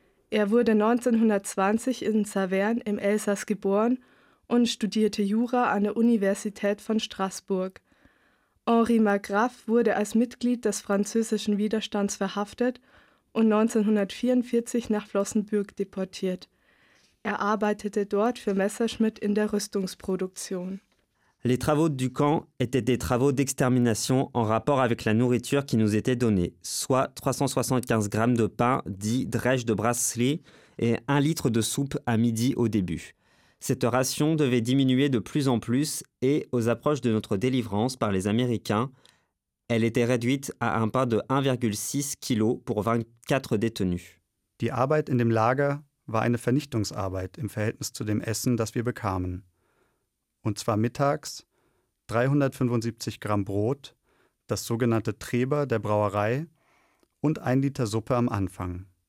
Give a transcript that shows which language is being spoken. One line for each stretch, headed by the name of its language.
German: Er wurde 1920 in Saverne im Elsass geboren und studierte Jura an der Universität von Straßburg. Henri Margraff wurde als Mitglied des französischen Widerstands verhaftet und 1944 nach Flossenbürg deportiert. Er arbeitete dort für Messerschmitt in der Rüstungsproduktion.
French: Les travaux du camp étaient des travaux d'extermination en rapport avec la nourriture qui nous était donnée, soit 375 grammes de pain, dit drèche de brasserie, et 1 litre de soupe à midi au début. Cette ration devait diminuer de plus en plus et, aux approches de notre délivrance par les Américains, elle était réduite à un pain de 1,6 kg pour 24 détenus.
German: Die Arbeit in dem Lager war eine Vernichtungsarbeit im Verhältnis zu dem Essen, das wir bekamen. Und zwar mittags 375 Gramm Brot, das sogenannte Treber der Brauerei und 1 Liter Suppe am Anfang.